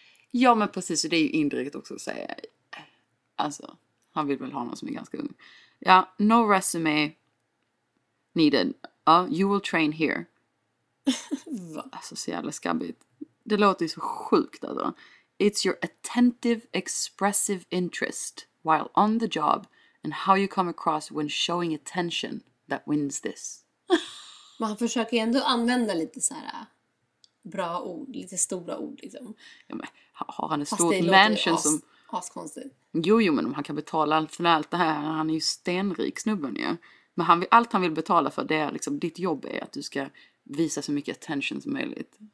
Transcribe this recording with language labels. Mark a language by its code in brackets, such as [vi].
[sv] Ja, men precis, så det är ju indirekt också att säga. Alltså, han vill väl ha någon som är ganska ung. [en] Ja, no resume needed. You will train here. [sv] Va? Alltså, så jävla skabbigt. Det låter ju så sjukt alltså. [en] It's your attentive, expressive interest while on the job and how you come across when showing attention. That wins this. [sv] Men han försöker ändå använda lite så här bra ord, lite stora ord liksom. Ja, men har han en stor mansion som... Fast det askonstigt. Jo, men om han kan betala allt för allt det här, han är ju stenrik snubben ju. Ja. Men han, allt han vill betala för, det är liksom, ditt jobb är att du ska visa så mycket attention som möjligt.